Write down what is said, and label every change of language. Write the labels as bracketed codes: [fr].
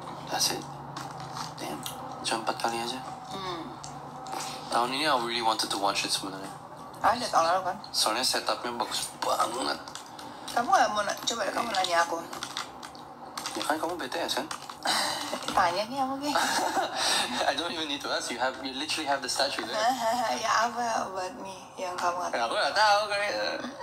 [en] That's it. Damn, [id] cuma 4 kali aja. Tahun ini [en] I really wanted to watch it [id] sebenarnya. Ah, udah tahun lalu kan? Soalnya setupnya bagus banget. Kamu gak mau coba deh, kamu nanya aku. Ya kan kamu BTS kan? Tanya nih aku kayak. [en] I don't even need to ask, you literally have the statue there. [id] Ya apa [en] about me [id] yang kamu gak tau? Aku gak tau kayaknya.